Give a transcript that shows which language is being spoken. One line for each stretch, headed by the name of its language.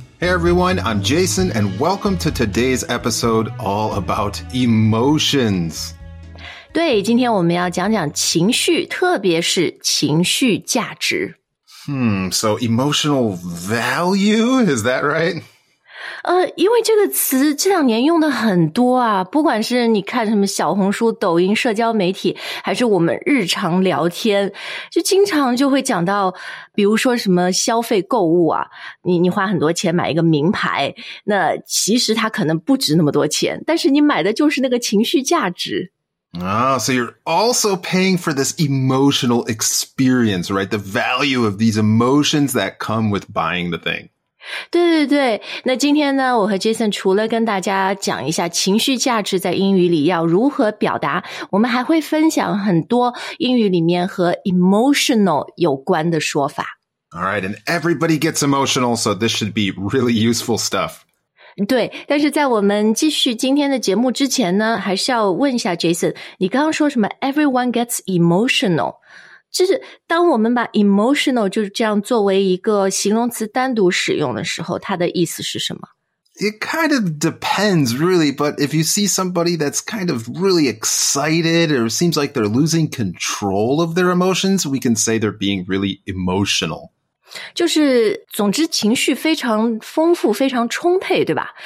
English: Hey everyone, I'm Jason, and welcome to today's episode all about emotions.
Chinese: 对，今天我们要讲讲情绪，特别是情绪价值。
English: So emotional value, is that right?
Chinese: 因为这个词这两年用的很多啊，不管是你看什么小红书、抖音、社交媒体，还是我们日常聊天，就经常就会讲到，比如说什么消费购物啊，你花很多钱买一个名牌，那其实它可能不值那么多钱，但是你买的就是那个情绪价值。
English: So you're also paying for this emotional experience, right? The value of these emotions that come with buying the thing.
Chinese: 对对对，那今天呢，我和 Jason 除了跟大家讲一下情绪价值在英语里要如何表达，我们还会分享很多英语里面和 emotional 有关的说法。
English: All right, and everybody gets emotional, so this should be really useful stuff.
Chinese: 对，但是在我们继续今天的节目之前呢，还是要问一下 Jason， 你刚刚说什么
English: everyone gets emotional?
Chinese: 就是当我们把 emotional 就是这样作为一个形容词单独使用的时候，它的意思是什么？
English: It kind of depends, really. But if you see somebody that's kind of really excited or seems like they're losing control of their emotions, we can say they're being really emotional.
Chinese: 就是总之情绪非常丰富，非常充沛，对吧？